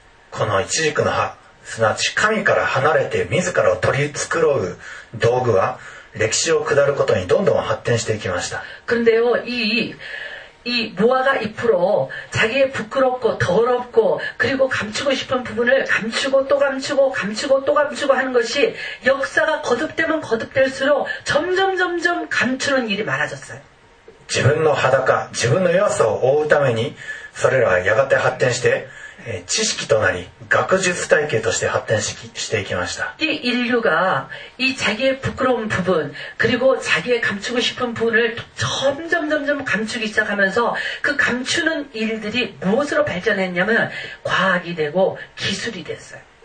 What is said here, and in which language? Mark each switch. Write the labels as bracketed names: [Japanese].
[Japanese] このイチジクの葉すなわち神から離れて自らを取り繕う道具は歴史を下ることにどんどん発展していきました [Korean] 그런데요이 이 무화과 잎으로 자기의 부끄럽고 더럽고 그리고 감추고 싶은 부분을 감추고 또 감추고 감추고 또 감추고 하는 것이 역사가 거듭되면 거듭될수록 점점 감추는 일이 많아졌어요. [Japanese] 自分の裸、自分の弱さを覆うために、それらはやがて発展して、知識となり、学術体系として発展していきました。 [Korean] 이 인류가 이 자기의 부끄러운 부분 그리고 자기의 감추고 싶은 부분을 점점 감추기 시작하면서 그 감추는 일들이 무엇으로 발전했냐면 과학이 되고 기술이 됐어요.